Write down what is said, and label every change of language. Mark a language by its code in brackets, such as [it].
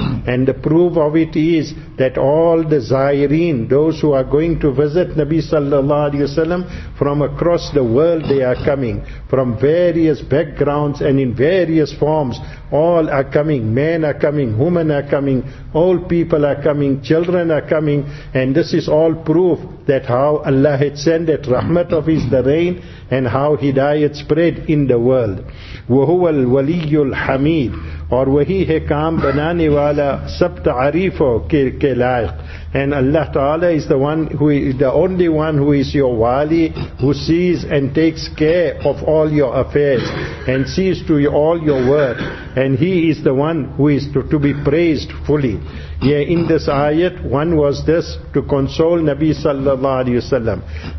[en] And the proof of it is that all the zayireen, those who are going to visit Nabi sallallahu alayhi wa sallam, from across the world they are coming, from various backgrounds and in various forms. All are coming, men are coming, women are coming, old people are coming, children are coming, and this is all proof that how Allah had sent that rahmat of His, the rain, and how hidayat spread in the world. [ar] وَهُوَ الْوَلِيُّ الْحَمِيدِ [ur] اور وہی ہے کام بنانے والا سب تعریفوں کے لائق. [en] And Allah Ta'ala is the one who is the only one who is your wali, who sees and takes care of all your affairs and sees to all your work, and He is the one who is to be praised fully. Yeah, in this ayat, one was this, to console Nabi sallallahu alayhi wa sallam.